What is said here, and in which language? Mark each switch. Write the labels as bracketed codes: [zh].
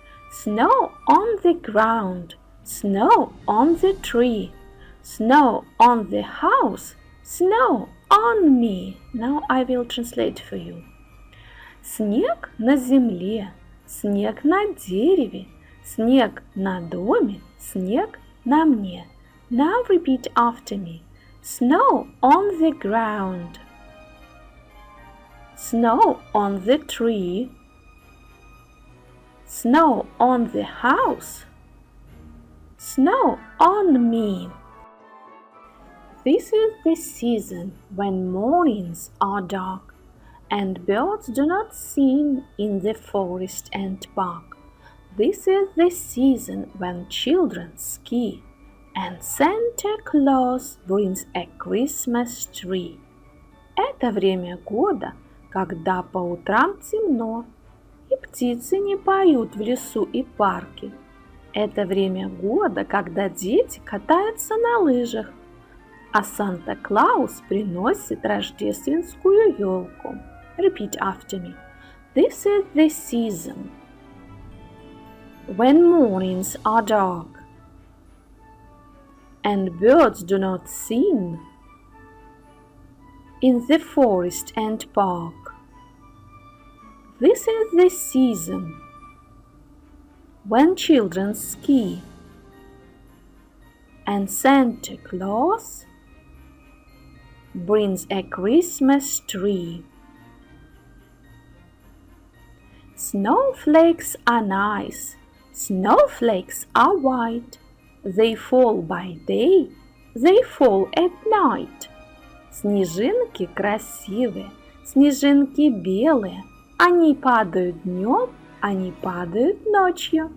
[en] Snow on the ground, snow on the tree, snow on the house, snow on me. Now I will translate for you. [ru] Снег на земле, снег на дереве, снег на доме, снег на мне. [en] Now repeat after me. Snow on the ground. Snow on the tree. Snow on the house. Snow on me. This is the season when mornings are dark and birds do not sing in the forest and park. This is the season when children ski and Santa Claus brings a Christmas tree. [ru] Это время года, когда по утрам темно, и птицы не поют в лесу и парке. Это время года, когда дети катаются на лыжах, а Санта-Клаус приносит рождественскую елку. [en] Repeat after me. This is the season when mornings are dark and birds do not sing in the forest and park. This is the season when children ski and Santa Claus brings a Christmas tree. Snowflakes are nice, snowflakes are white, they fall by day, they fall at night. [ru] Снежинки красивые, снежинки белые. Они падают днем, они падают ночью.